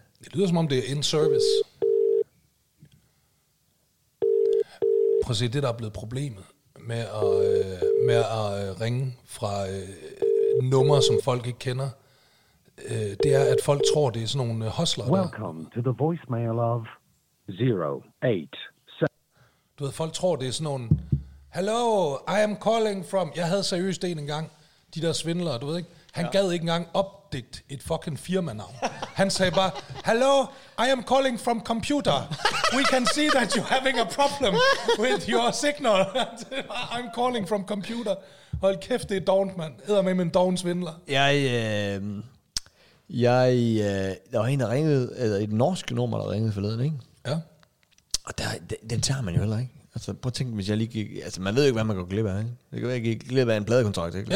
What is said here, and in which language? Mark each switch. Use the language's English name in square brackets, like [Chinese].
[Danish] Det lyder som om, det er in service. Prøv at se, det der er blevet problemet med at, ringe fra numre, som folk ikke kender, det er, at folk tror, det er sådan nogle hustler. [English] Welcome to the voicemail of 087. [Danish] Du ved, folk tror, det er sådan nogle... [English] Hello, I am calling from... [Danish] Jeg havde seriøst en gang, de der svindlere, du ved ikke? Han gad ikke engang opdigte et fucking firmanavn. Han sagde bare, [English] hello, I am calling from computer. We can see that you're having a problem with your signal. I'm calling from computer. [Danish] Hold kæft, det er dovent, mand. Hedder med en dovent svindler. Der var en, der ringede, eller et norsk nummer, der ringede forleden, ikke? Ja. Og den tager man jo heller ikke. Altså, prøv at tænke, hvis jeg lige gik... Altså, man ved jo ikke, hvad man går glip af, ikke? Det kan være, jeg gik glip af en pladekontrakt, ikke?